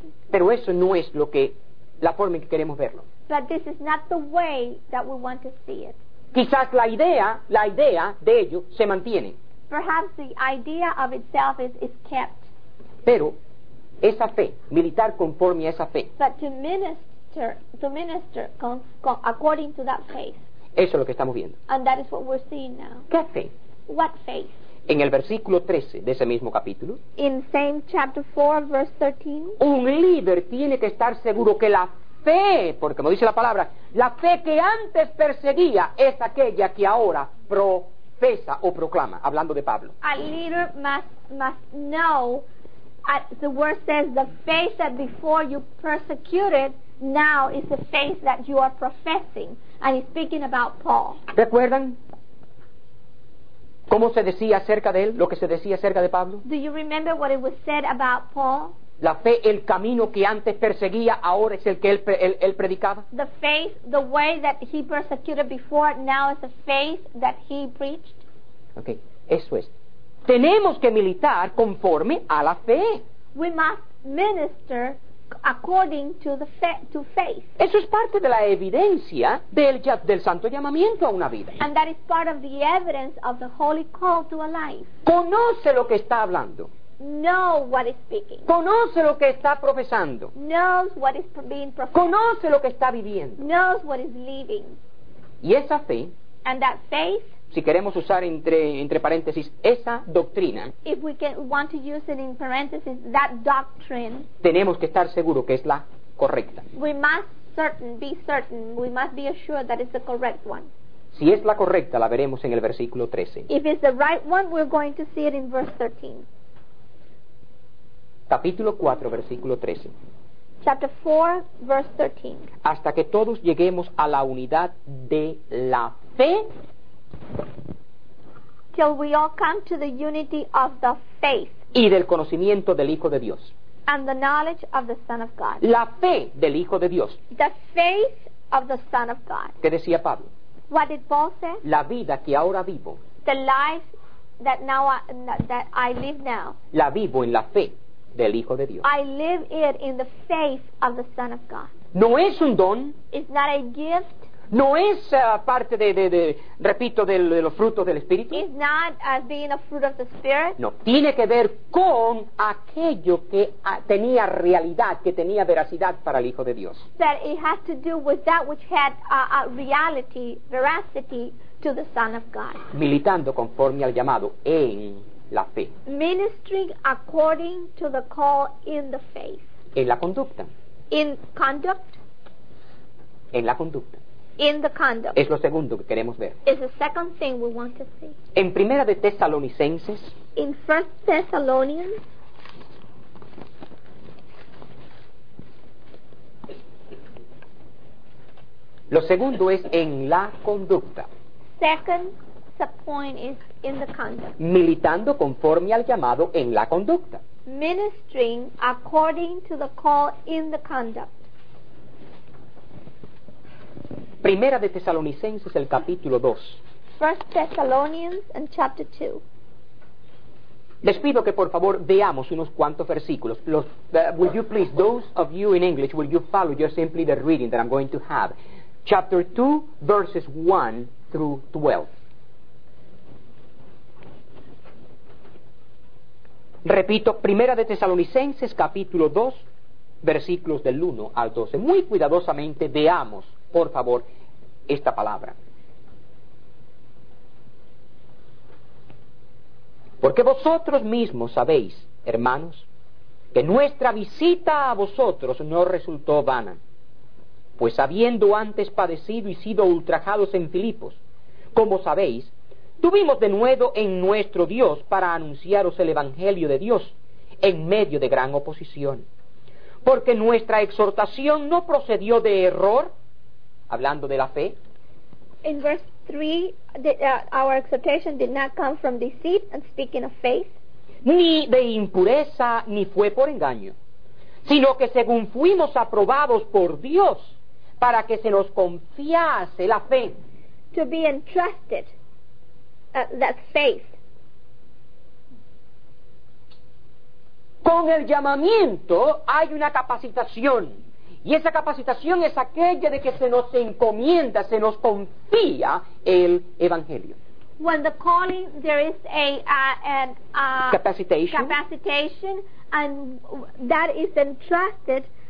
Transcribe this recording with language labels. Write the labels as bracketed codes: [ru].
[es] Pero eso no es lo que la forma en que queremos verlo. [en] But this is not the way that we want to see it. [es] Quizás la idea de ello se mantiene. [en] Perhaps the idea of itself is kept. [es] Pero esa fe, militar conforme a esa fe. [en] But to minister according to that faith. [es] Eso es lo que estamos viendo. [en] And that is what we're seeing now. [es] ¿Qué fe? [en] What faith? [es] En el versículo 13 de ese mismo capítulo. [en] In same chapter 4, verse 13. [es] Un líder tiene que estar seguro que la fe, porque como dice la palabra, la fe que antes perseguía es aquella que ahora profesa o proclama, hablando de Pablo. [en] A leader must know, the word says, the faith that before you persecuted, now is the faith that you are professing. And he's speaking about Paul. [es] ¿Recuerdan? ¿Cómo se decía acerca de él? ¿Lo que se decía acerca de Pablo? [en] Do you remember what it was said about Paul? [es] La fe, el camino que antes perseguía, ahora es el que él predicaba. [en] The faith, the way that he persecuted before, now is the faith that he preached. [es] Okay, eso es. Tenemos que militar conforme a la fe. [en] We must minister according to the faith. [es] Eso es parte de la evidencia del santo llamamiento a una vida. [en] And that is part of the evidence of the holy call to a life. [es] Conoce lo que está hablando. [en] Know what is speaking. [es] Conoce lo que está profesando. [en] Knows what is being professed. [es] Conoce lo que está viviendo. [en] Knows what is living. [es] Y esa fe. [en] And that faith. [es] Si queremos usar entre paréntesis esa doctrina, [en] if we can want to use it in parentheses, that doctrine, [es] tenemos que estar seguro que es la correcta. [en] We must be certain. We must be assured that it's the correct one. [es] Si es la correcta, la veremos en el versículo 13. [en] If it's the right one, we're going to see it in verse 13. [es] Capítulo 4, versículo 13. [en] Chapter 4, verse 13. [es] Hasta que todos lleguemos a la unidad de la fe. [en] Till we all come to the unity of the faith. [es] Y del conocimiento del Hijo de Dios. [en] And the knowledge of the Son of God. [es] La fe del Hijo de Dios. [en] The faith of the Son of God. [es] ¿Qué decía Pablo? [en] What did Paul say? [es] La vida que ahora vivo. [en] The life that I live now. [es] La vivo en la fe del Hijo de Dios. [en] I live it in the faith of the Son of God. [es] No es un don. [en] It's not a gift. [es] No es parte de repito, de los frutos del Espíritu. [en] It's not as being a fruit of the Spirit. [es] No, tiene que ver con aquello que tenía realidad, que tenía veracidad para el Hijo de Dios. [en] That it has to do with that which had a reality, veracity to the Son of God. [es] Militando conforme al llamado en la fe. [en] Ministering according to the call in the faith. [es] En la conducta. [en] In conduct. [es] En la conducta. [en] In the conduct. [es] Es lo segundo que queremos ver. [en] It's the second thing we want to see. [es] En primera de Tesalonicenses. [en] In First Thessalonians. [es] Lo segundo es en la conducta. [en] Second point is in the conduct. [es] Militando conforme al llamado en la conducta. [en] Ministering according to the call in the conduct. [es] Primera de Tesalonicenses, el capítulo 2. [en] First Thessalonians and chapter 2. [es] Les pido que por favor veamos unos cuantos versículos. [en] Will you please, those of you in English, will you follow just simply the reading that I'm going to have? Chapter 2, verses 1 through 12. [es] Repito, Primera de Tesalonicenses, capítulo 2, versículos del 1 al 12. Muy cuidadosamente veamos, por favor, esta palabra. Porque vosotros mismos sabéis, hermanos, que nuestra visita a vosotros no resultó vana, pues habiendo antes padecido y sido ultrajados en Filipos, como sabéis, tuvimos de nuevo en nuestro Dios para anunciaros el Evangelio de Dios en medio de gran oposición. Porque nuestra exhortación no procedió de error, hablando de la fe. [en] In verse 3, our exhortation did not come from deceit and speaking of faith. [es] Ni de impureza, ni fue por engaño, sino que según fuimos aprobados por Dios para que se nos confiase la fe. [en] To be entrusted, that faith. [es] Con el llamamiento hay una capacitación, y esa capacitación es aquella de que se nos encomienda, se nos confía el Evangelio. [en] When the calling, there is a capacitation, and that is entrusted